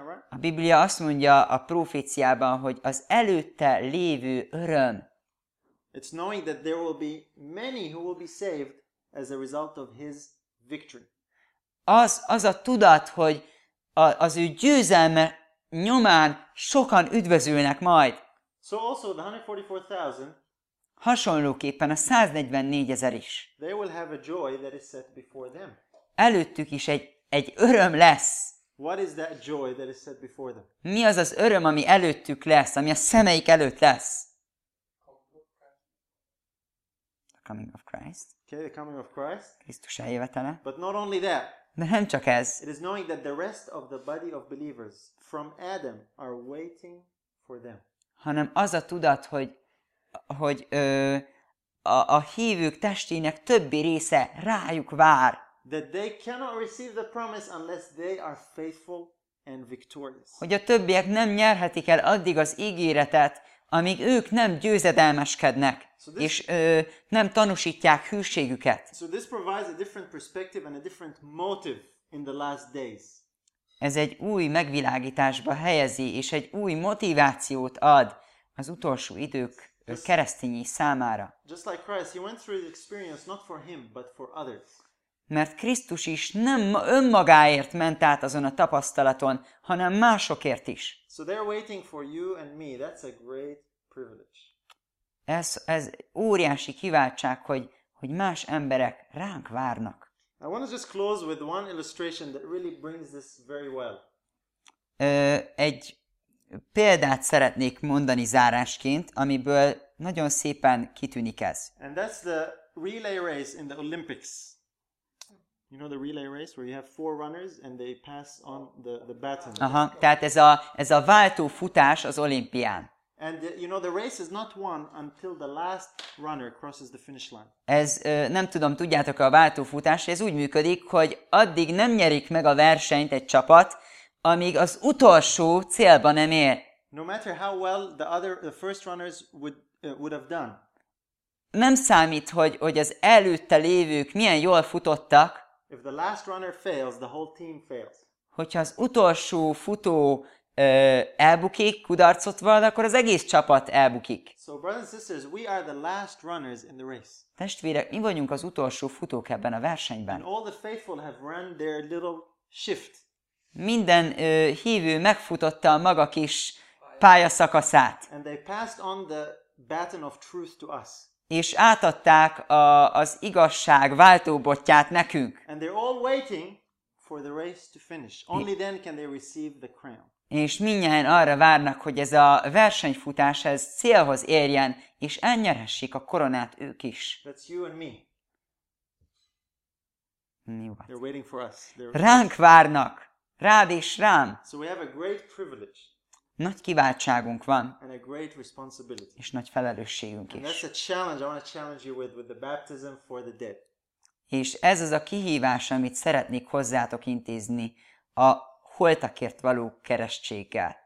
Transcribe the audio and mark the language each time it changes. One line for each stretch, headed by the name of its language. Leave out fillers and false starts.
Hungarian: A Biblia azt mondja a proféciában, hogy az előtte lévő öröm.
English: It's knowing that there will be many who will be saved as a result of his victory.
Hungarian: Az a tudat, hogy az ő győzelme nyomán sokan üdvözülnek majd.
English: So also the 144,000.
Hungarian: Hasonlóképpen a 144 ezer is.
English: They will have a joy that is set before them.
Hungarian: Előttük is egy öröm lesz.
English: What is that joy that is set before them?
Hungarian: Mi az az öröm, ami előttük lesz, ami a szemeik előtt lesz?
English: The coming of Christ. Okay, the coming of Christ.
Hungarian: Krisztus eljövetele.
English: But not only that.
Hungarian: De nem csak ez.
English: It is knowing that the rest of the body of believers from Adam are waiting for them.
Hungarian: Hanem az a tudat, hogy a hívők testének többi része rájuk vár.
English: That they cannot receive the promise unless they are faithful and victorious.
Hungarian: Hogy a többiek nem nyerhetik el addig az ígéretet, amíg ők nem győzedelmeskednek,
English: so this,
Hungarian: és nem tanúsítják hűségüket.
English: So this provides a different perspective and a different motive in the last days.
Hungarian: Ez egy új megvilágításba helyezi, és egy új motivációt ad az utolsó idők Ő keresztényi számára.
English: Just like Christ, he went through the experience not for him, but for others.
Hungarian: Mert Krisztus is nem önmagáért ment át azon a tapasztalaton, hanem másokért is.
English: So they're waiting for you and me. That's a great privilege.
Hungarian: Ez óriási kiváltság, hogy más emberek ránk várnak.
English: I want to just close with one illustration that really brings this very well.
Hungarian: Egy példát szeretnék mondani zárásként, amiből nagyon szépen kitűnik ez.
English: And that's the relay race in the Olympics. You know the relay race where you have four runners and they pass on the baton.
Hungarian: Aha, tehát ez a váltó futás az olimpián.
English: And you know the race is not won until the last runner crosses the finish line.
Hungarian: Ez nem tudom, tudjátok-e a váltó futás, ez úgy működik, hogy addig nem nyerik meg a versenyt egy csapat, amíg az utolsó célba nem ér.
English: No matter how well the first runners would have done.
Hungarian: Nem számít, hogy az előtte lévők milyen jól futottak.
English: If the last runner fails, the whole team fails.
Hungarian: Hogyha az utolsó futó elbukik, kudarcot vall, akkor az egész csapat elbukik.
English: So brothers and sisters, we are the last runners in the race.
Hungarian: Testvérek, mi vagyunk az utolsó futók ebben a versenyben.
English: And all the faithful have run their little shift.
Hungarian: Minden hívő megfutotta a maga kis pályaszakaszát.
English: And they passed on the baton of truth to us.
Hungarian: És átadták az igazság váltóbotját nekünk.
English: And they're all waiting for the race to finish. Only then can they receive the crown.
Hungarian: És mindjárt arra várnak, hogy ez a versenyfutás ez célhoz érjen, és elnyerhessék a koronát ők is.
English: That's you and me. They're waiting for us.
Hungarian: Ránk várnak. Rád és rám.
English: So we have a great privilege.
Hungarian: Nagy kiváltságunk van.
English: And a great responsibility.
Hungarian: És nagy felelősségünk
English: and
Hungarian: is.
English: That's a challenge I want to challenge you with the baptism for the dead.
Hungarian: És ez az a kihívás, amit szeretnék hozzátok intézni a holtakért való keresztséggel.